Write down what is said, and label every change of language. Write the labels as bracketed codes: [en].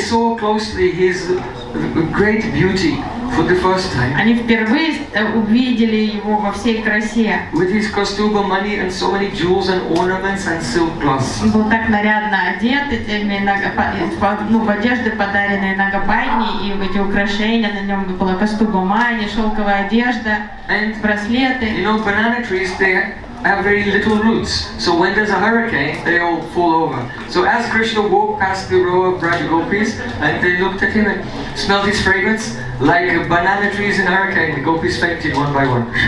[en] they saw closely his great beauty for the first time. [ru] Они впервые увидели его во всей красе. [en] With his kastuba mani and so many jewels and ornaments and silk cloths. [ru] Он был так нарядно одет, в одежды, подаренные нагопадни, и в эти украшения, на нем была кастуба мани, шелковая одежда, [en] and [ru] браслеты. [en] You know, banana trees there have very little roots, so when there's a hurricane, they all fall over. So as Krishna walked past the row of Braj gopis, and they looked at him and smelled his fragrance, like banana trees in a hurricane, the gopis fainted one by one.